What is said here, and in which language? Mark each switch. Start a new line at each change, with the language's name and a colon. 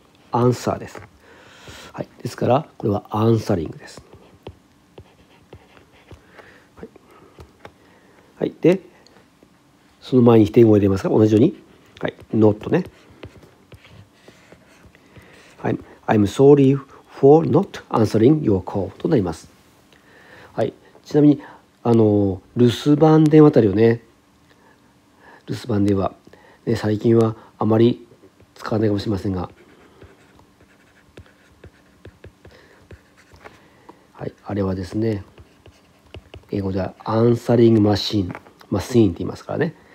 Japanese: アンサーです。はい、ですからこれはアンサリングです。はい、はい、でその前に否定語を入れますか、同じように。はい、not ね。
English: I'm sorry for not answering your call
Japanese: となります。はい、ちなみにあの留守番電話あたりをね、留守番電話、ね、最近はあまり使わないかもしれませんが、はい、あれはですね、英語ではアンサリングマシーン、マシーンって言いますからね。